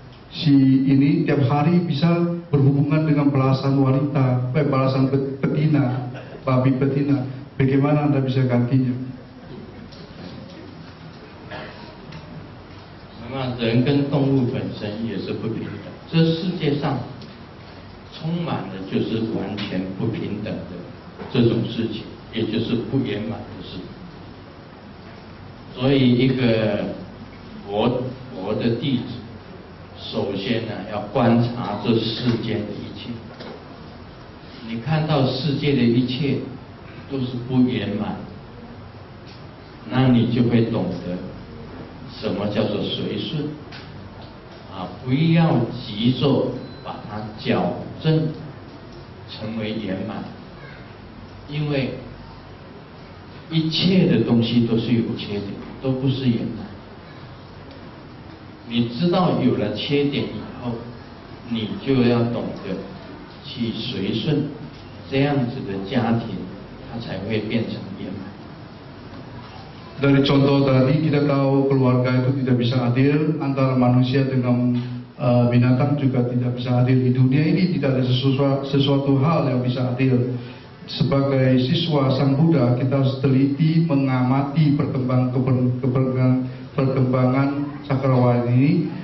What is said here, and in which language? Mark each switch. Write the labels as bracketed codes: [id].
[id] Si ini tiap hari bisa berhubungan dengan belasan wanita, belasan betina, babi betina. Bagaimana Anda bisa gantinya? Maka, [zh] 人跟动物本身也是不平等。这世界上充满的就是完全不平等的这种事情，也就是不圆满的事。所以一个佛的弟子首先呢要观察这世间的一切，你看到世界的一切都是不圆满，那你就会懂得什么叫做随顺啊，不要急着把它矫正成为圆满，因为一切的东西都是有缺点，都不是圆满。你知道有了缺点以后，你就要懂得去随顺，这样子的家庭它才会变成圆满。 [id] Dari contoh tadi kita tahu keluarga itu tidak bisa adil, antara manusia dengan binatang juga tidak bisa adil. Di dunia ini tidak ada sesuatu hal yang bisa adil. Sebagai siswa Sang Buddha, kita harus teliti mengamati perkembangan cakrawala ini.